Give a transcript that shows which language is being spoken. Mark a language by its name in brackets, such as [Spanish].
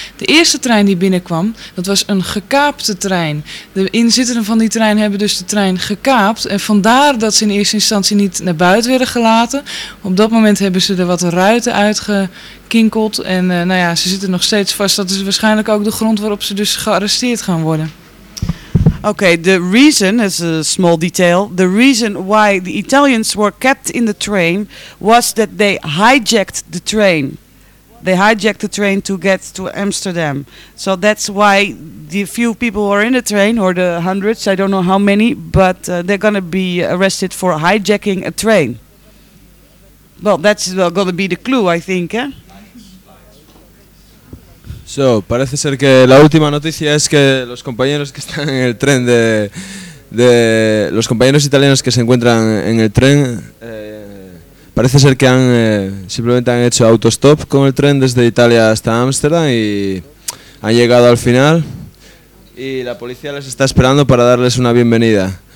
[Dutch] De eerste trein die binnenkwam, dat was een gekaapte trein. De inzittenden van die trein hebben dus de trein gekaapt. En vandaar dat ze in eerste instantie niet naar buiten werden gelaten. Op dat moment hebben ze er wat ruiten uitgekinkeld. En ze zitten nog steeds vast. Dat is waarschijnlijk ook de grond waarop ze dus gearresteerd gaan worden. [English] Okay, the reason, as a small detail, the reason why the Italians were kept in the train was that they hijacked the train. They hijacked the train to get to Amsterdam. So that's why the few people who are in the train, or the hundreds, I don't know how many, but they're going to be arrested for hijacking a train. Well, that's going to be the clue, I think, eh? [Spanish] So, parece ser que la última noticia es que los compañeros que están en el tren de los compañeros italianos que se encuentran en el tren parece ser que han simplemente han hecho autostop con el tren desde Italia hasta Ámsterdam y han llegado al final y la policía les está esperando para darles una bienvenida.